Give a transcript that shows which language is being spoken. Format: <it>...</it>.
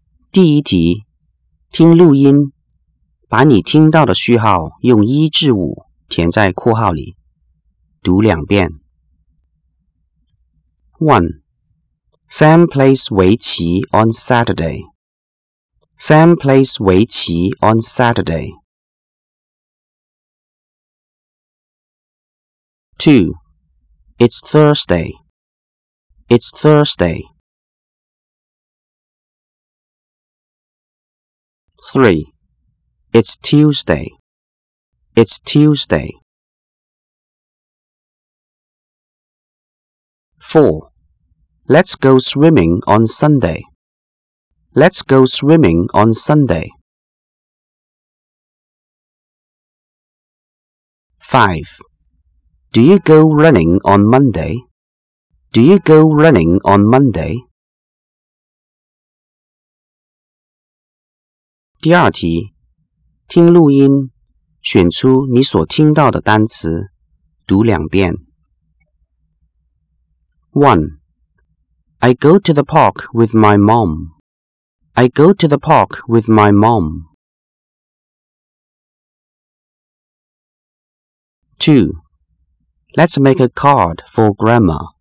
<zh>第一题，听录音，把你听到的序号用1至5填在括号里，读两遍。 1.</zh> <en>Sam plays 围棋 on Saturday. Sam plays 围棋 on Saturday. 2. It's Thursday. It's Thursday. 3. It's Tuesday. It's Tuesday. 4. Let's go swimming on Sunday. Let's go swimming on Sunday. 5. Do you go running on Monday? Do you go running on Monday?</en> <zh>第二题，听录音，选出你所听到的单词，读两遍。 1.</zh> <en>I go to the park with my mom. I go to the park with my mom. 2. Let's make a card for grandma.</en>